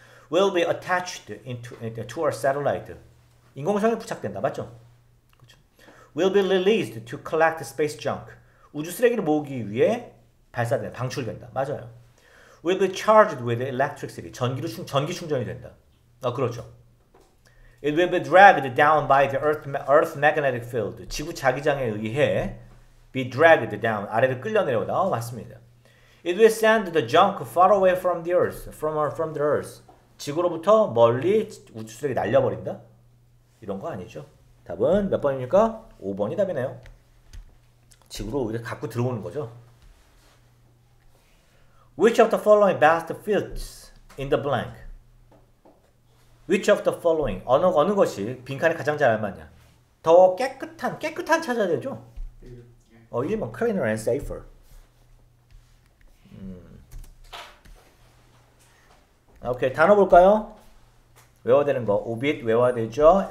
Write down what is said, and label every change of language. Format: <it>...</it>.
<en>Will be attached to our satellite.</en> <ko>인공위성에 부착된다, 맞죠? 그렇죠.</ko> <en>Will be released to collect space junk.</en> <ko>우주 쓰레기를 모으기 위해 발사된다, 방출된다, 맞아요.</ko> <en>Will be charged with electricity.</en> <ko>전기로 충, 전기 충전이 된다. 아, 그렇죠.</ko> <en>It will be dragged down by the Earth magnetic field.</en> <ko>지구 자기장에 의해</ko> <en>be dragged down.</en> <ko>아래로 끌려 내려오다. 어, 맞습니다.</ko> <en>It will send the junk far away from the Earth. From the Earth.</en> <ko>지구로부터 멀리 우주 쓰레기 날려버린다? 이런 거 아니죠. 답은 몇 번입니까? 5번이 답이네요. 지구로 오히려 갖고 들어오는 거죠.</ko> <en>Which of the following best fits in the blank? Which of the following?</en> <ko>어느 것이 빈칸에 가장 잘 맞냐? 더 깨끗한 찾아야 되죠? 어, 1번</ko> <en>cleaner and safer.</en> <ko>오케이, 단어 볼까요? 외워야 되는 거. Obit 외워야 되죠.</ko>